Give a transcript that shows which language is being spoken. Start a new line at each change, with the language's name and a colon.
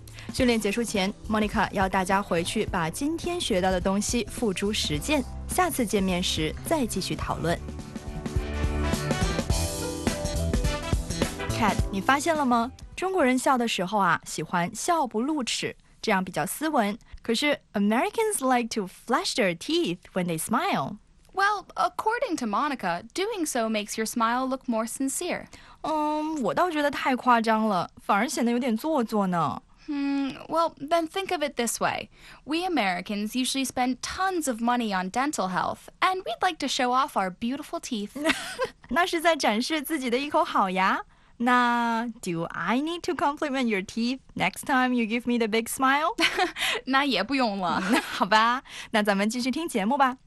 Chinese: 训练结束前， Monica 要大家回去把今天学到的东西付诸实践，下次见面时再继续讨论。 Cat， 你发现了吗？中国人笑的时候啊，喜欢笑不露齿，这样比较斯文。可是
English: Americans like to flash their teeth when they smile. Well, according to Monica, doing so makes your smile look more sincere.
Chinese: 我倒觉得太夸张了，反而显得有点做作呢。
English: Well, then think of it this way. We Americans usually spend tons of money on dental health, and we'd like to show off our beautiful teeth.
Chinese: 那是在展示自己的一口好牙。那
English: do I need to compliment your teeth next time you give me the big smile?
Chinese: 那也不用了。好吧，那咱们继续听节目吧。